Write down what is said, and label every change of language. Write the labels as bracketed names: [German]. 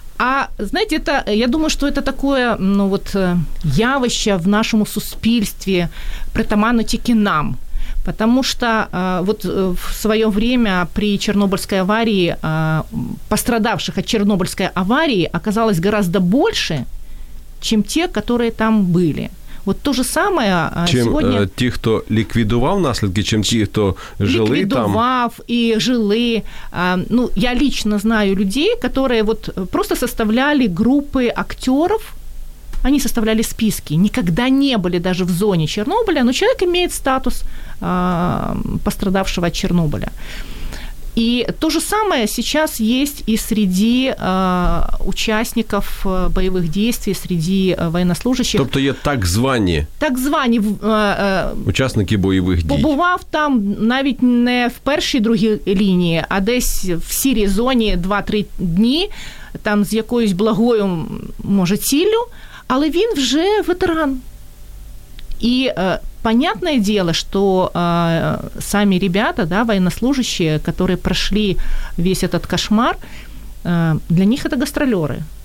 [Russian] А, знаете, это, я думаю, что это такое, ну вот, [Ukrainian] явище [Russian] в нашем суспильстве, притаманутики нам. Потому что вот в свое время при Чернобыльской аварии пострадавших от Чернобыльской аварии оказалось гораздо больше, чем те, которые там были. Вот то же самое чем, сегодня... [Ukrainian] Ті, хто ліквідував наслідки, чим ті, хто жили там? Ліквідував і жили. [Russian] Ну, я лично знаю людей, которые вот просто составляли группы актеров, они составляли списки, никогда не были даже в зоне Чернобыля, но человек имеет статус пострадавшего от Чернобыля. И то же самое сейчас есть и среди участников боевых действий, среди военнослужащих. [Ukrainian] Тобто є так звані. Так звані. Учасники бойових дій. Побував там навіть не в першій, другій лінії, а десь в сірій зоні 2-3 дні, там з якоюсь благою, може, ціллю, але він вже ветеран. [Russian] І понятное дело, что сами ребята, да, военнослужащие, которые прошли весь этот кошмар, для них это гастролеры.